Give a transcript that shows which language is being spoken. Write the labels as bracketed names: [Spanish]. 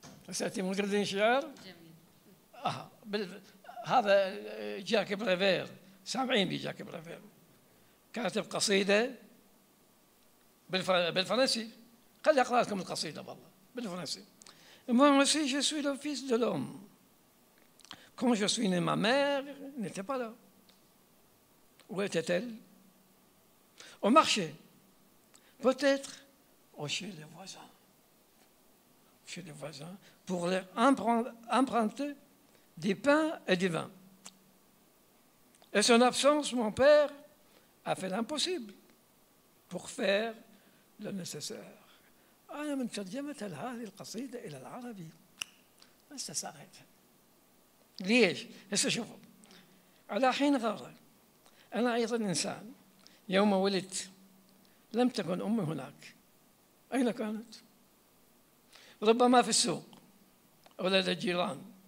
[Arabic] سأتي مجردين شعر جميل. هذا جاك بريفير، سامعين بجاك بريفير، كاتب قصيدة بالفرنسي، خلي أقرأ لكم القصيدة بالله بالفرنسي. [French] المهم je suis le fils de l'homme. Quand je suis né, ma mère n'était pas là. Où était-elle? Au marché. Peut-être chez les voisins. Chez les voisins pour leur emprunter des pains et des vins. Et son absence, mon père a fait l'impossible pour faire le nécessaire. [Arabic] أنا من ترجمة هذه القصيدة إلى العربي. هسه صارت. ليش؟ هسه شوفوا. على حين غارة. أنا أيضا إنسان. يوم ولدت لم تكن أمي هناك. أين كانت؟ ربما في السوق أو لدى الجيران.